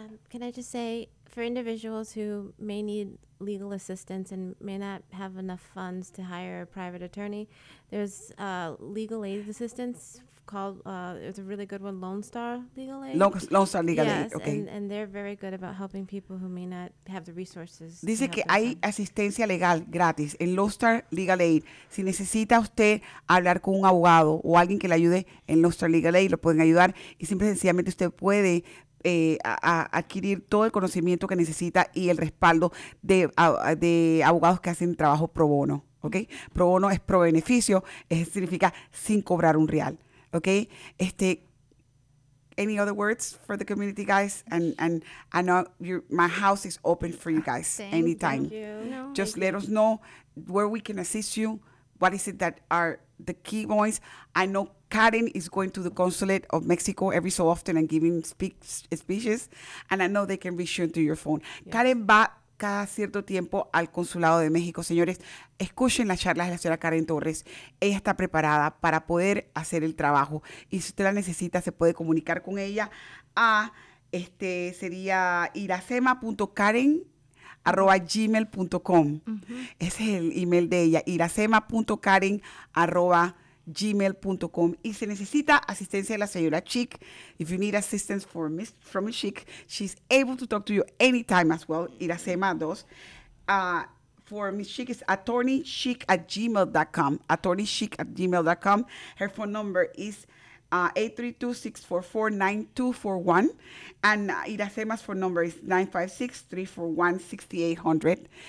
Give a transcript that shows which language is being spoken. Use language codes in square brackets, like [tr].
[en] Can I just say, for individuals who may need legal assistance and may not have enough funds to hire a private attorney, there's legal aid assistance called, it's a really good one, Lone Star Legal Aid. Lone Star Legal Aid, okay. And they're very good about helping people who may not have the resources. [es] Dice que hay asistencia legal gratis en Lone Star Legal Aid. Si necesita usted hablar con un abogado o alguien que le ayude en Lone Star Legal Aid, lo pueden ayudar. Y simple y sencillamente usted puede adquirir todo el conocimiento que necesita y el respaldo de abogados que hacen trabajo pro bono, ¿ok? Pro bono es pro beneficio, significa sin cobrar un real, ¿ok? [en] Any other words for the community, guys? And I know my house is open for you guys anytime. Thank you. No, just let us know where we can assist you. What is it that are the key points? I know Karen is going to the consulate of Mexico every so often and giving speeches, and I know they can reach you into your phone. Yes. [es] Karen va cada cierto tiempo al consulado de México. Señores, escuchen las charlas de la señora Karen Torres. Ella está preparada para poder hacer el trabajo. Y si usted la necesita, se puede comunicar con ella a sería iracema.karen@gmail.com. Uh-huh. Ese es el email de ella, iracema.karen@gmail.com. Y se necesita asistencia de la señora Chic. [en] If you need assistance for Miss from Chic, she's able to talk to you anytime as well. Iracema 2. For Miss Chic is attorneychic@gmail.com. Attorneychic@gmail.com. Her phone number is 832-644-9241. And Iracema's phone number is 956-341-6800.